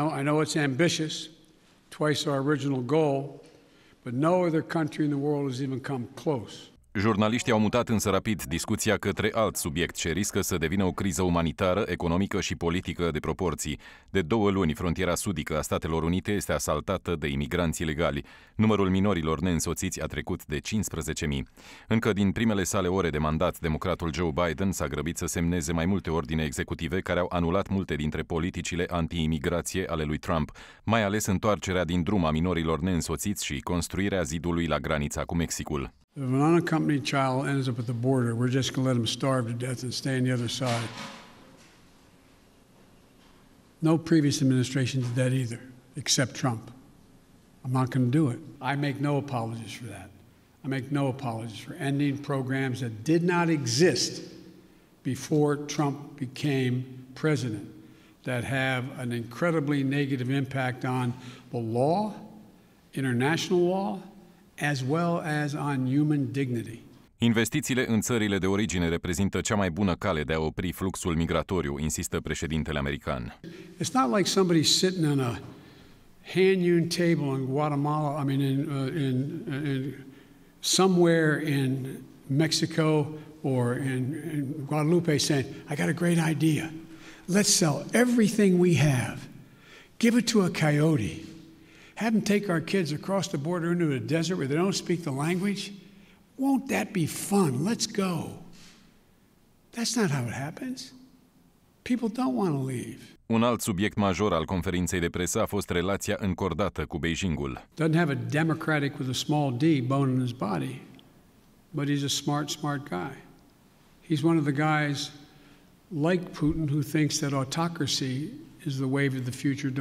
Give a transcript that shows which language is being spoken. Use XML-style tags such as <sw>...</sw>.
<en>I know it's ambitious, twice our original goal, but no other country in the world has even come close.</en> <ro>Jurnaliștii au mutat însă rapid discuția către alt subiect ce riscă să devină o criză umanitară, economică și politică de proporții. De două luni, frontiera sudică a Statelor Unite este asaltată de imigranți ilegali. Numărul minorilor neînsoțiți a trecut de 15.000. Încă din primele sale ore de mandat, democratul Joe Biden s-a grăbit să semneze mai multe ordine executive care au anulat multe dintre politicile anti-imigrație ale lui Trump, mai ales întoarcerea din drum a minorilor neînsoțiți și construirea zidului la granița cu Mexicul.</ro> <en>If an unaccompanied child ends up at the border, we're just going to let them starve to death and stay on the other side. No previous administration did that either, except Trump. I'm not going to do it. I make no apologies for that. I make no apologies for ending programs that did not exist before Trump became president, that have an incredibly negative impact on the law, international law, as well as on human dignity.</en> <ro>Investițiile în țările de origine reprezintă cea mai bună cale de a opri fluxul migratoriu, insistă președintele american.</ro> <en>It's not like somebody sitting on a hand-hewn table in Guatemala, in somewhere in Mexico or in Guadalupe saying, I got a great idea. Let's sell everything we have. Give it to a coyote. Have them take our kids across the border into a desert where they don't speak the language? Won't that be fun? Let's go. That's not how it happens. People don't want to leave.</en> <ro>Un alt subiect major al conferinței de presă a fost relația încordată cu Beijingul.</ro> <en>Doesn't have a democratic with a small d bone in his body, but he's a smart, smart guy. He's one of the guys like Putin who thinks that autocracy is the wave of the future.</en>